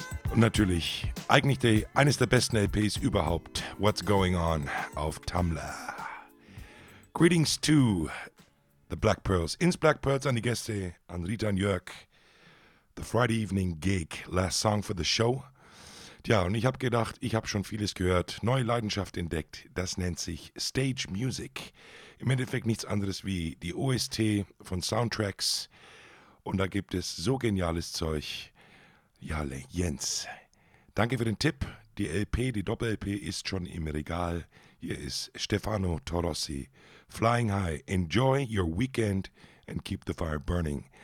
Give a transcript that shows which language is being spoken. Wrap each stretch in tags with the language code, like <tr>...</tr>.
<de>Und natürlich eigentlich eines der besten LPs überhaupt, What's Going On auf Tumblr.</de> <en>Greetings to the Black Pearls.</en> <de>Ins Black Pearls an die Gäste, an Rita und Jörg.</de> <en>The Friday Evening Gig, last song for the show.</en> <de>Tja, und ich habe gedacht, ich habe schon vieles gehört, neue Leidenschaft entdeckt. Das nennt sich Stage Music. Im Endeffekt nichts anderes wie die OST von Soundtracks. Und da gibt es so geniales Zeug. Jalle, Jens. Danke für den Tipp. Die LP, die Doppel-LP ist schon im Regal. Hier ist Stefano Torossi. Flying high.</de> <en>Enjoy your weekend and keep the fire burning.</en>